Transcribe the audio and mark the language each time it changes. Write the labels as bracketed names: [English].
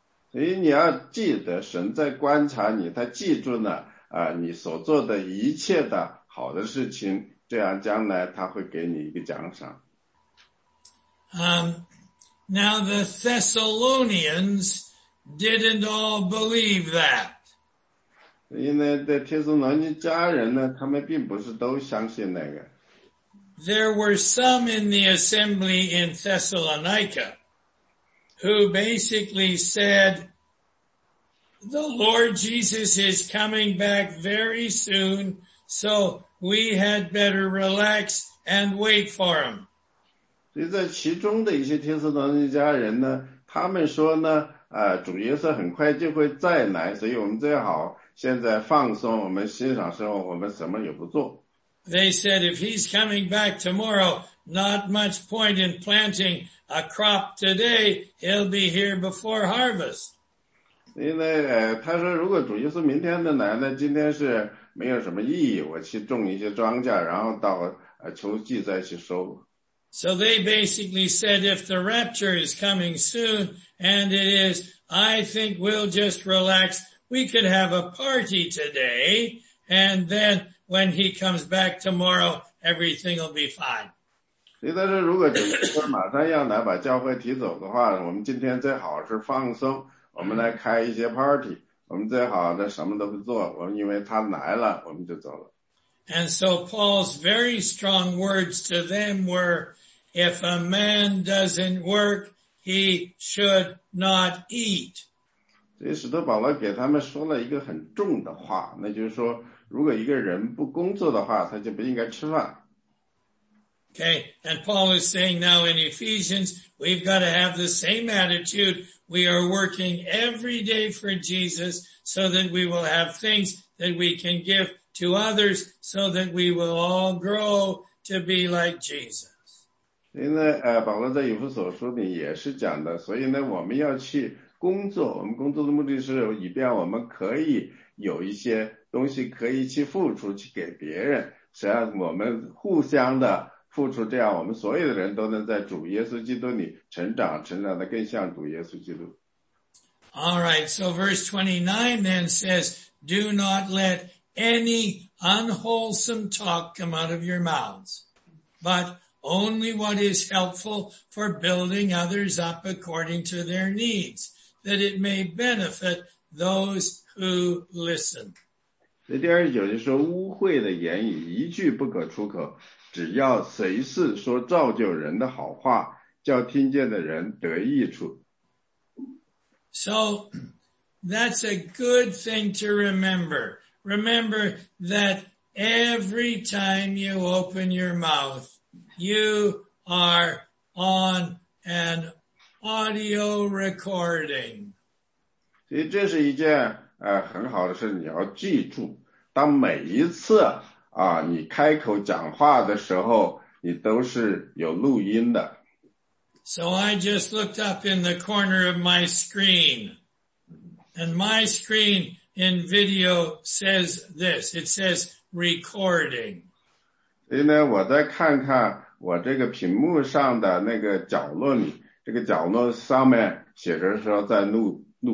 [Chinese] 所以你要记得神在观察你，他记住呢，你所做的一切的好的事情，这样将来他会给你一个奖赏。 [English] Now the Thessalonians didn't all believe that. [Chinese] 所以呢，在帖撒罗尼迦人呢，他们并不是都相信那个。 [English] There were some in the assembly in Thessalonica who basically said, the Lord Jesus is coming back very soon, so we had better relax and wait for him. [Chinese] 所以在其中的一些帖撒罗尼迦人呢，他们说呢，主耶稣很快就会再来，所以我们最好现在放松，我们欣赏生活，我们什么也不做。 [English] They said, if he's coming back tomorrow, not much point in planting a crop today. He'll be here before harvest. [Chinese] 因为他说如果主耶稣明天的来呢，今天是没有什么意义，我去种一些庄稼，然后到秋季再去收。 [English] So they basically said, if the rapture is coming soon, and it is, I think we'll just relax. We could have a party today, and then when he comes back tomorrow, everything will be fine. [Chinese] 所以他说如果主耶稣马上要来把教会提走的话，我们今天最好是放松，我们来开一些 party， 我们最好的什么都不做，我们因为他来了我们就走了。 [English] And so Paul's very strong words to them were, if a man doesn't work, he should not eat. [Chinese] 所以使徒保罗给他们说了一个很重的话，那就是说如果一个人不工作的话，他就不应该吃饭。 [English] Okay, and Paul is saying now in Ephesians, we've got to have the same attitude. We are working every day for Jesus so that we will have things that we can give to others so that we will all grow to be like Jesus. [Chinese] 所以呢，保罗在以弗所书里也是讲的，所以呢，我们要去工作，我们工作的目的是以便我们可以有一些东西可以去付出去给别人，实际上我们互相的付出，这样我们所有的人都能在主耶稣基督里成长，成长得更像主耶稣基督。 [English] All right, so verse 29 then says, do not let any unwholesome talk come out of your mouths, but only what is helpful for building others up according to their needs, that it may benefit those who listen. [Chinese] 第二就是说污秽的言语一句不可出口，只要随时说造就人的好话，叫听见的人得益处。 [English] So that's a good thing to remember. Remember that every time you open your mouth, you are on an audio recording. [Chinese] 所以这是一件很好的事，你要记住，当每一次你开口讲话的时候，你都是有录音的。 [English] So I just looked up in the corner of my screen, and my screen in video says this. It says recording. [Chinese] 所以呢，我再看看我这个屏幕上的那个角落里，这个角落上面写着说在录。